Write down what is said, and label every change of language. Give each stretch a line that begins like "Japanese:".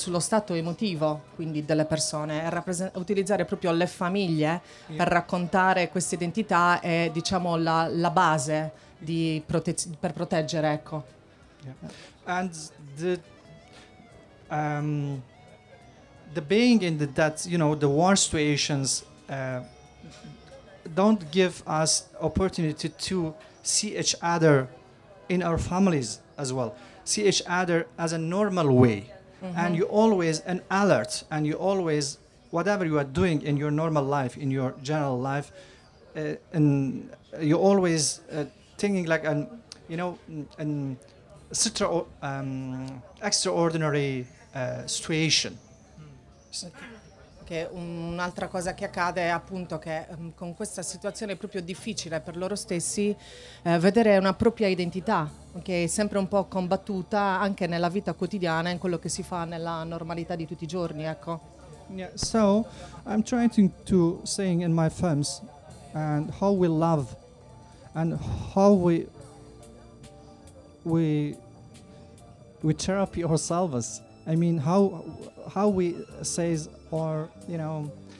Italian: sullo stato emotivo, quindi delle persone, utilizzare proprio le famiglie
English: yeah.
Italian: per raccontare questa identità è diciamo la base di per proteggere, ecco. Yeah.
English: And the being in that, you know, the war situations don't give us opportunity to see each other in our families as well. See each other as a normal way, mm-hmm. and you always an alert, and you always whatever you are doing in your normal life, in your general life, and you always thinking like an, you know, an extraordinary situation.
Italian: Che un'altra cosa che accade è appunto che con questa situazione è proprio difficile per loro stessi vedere una propria identità, che è sempre un po' combattuta anche nella vita quotidiana, in quello che si fa nella normalità di tutti i giorni, ecco.
English: Yeah, so I'm trying to say in my films and how we love and how we therapy ourselves. I mean how we says or you know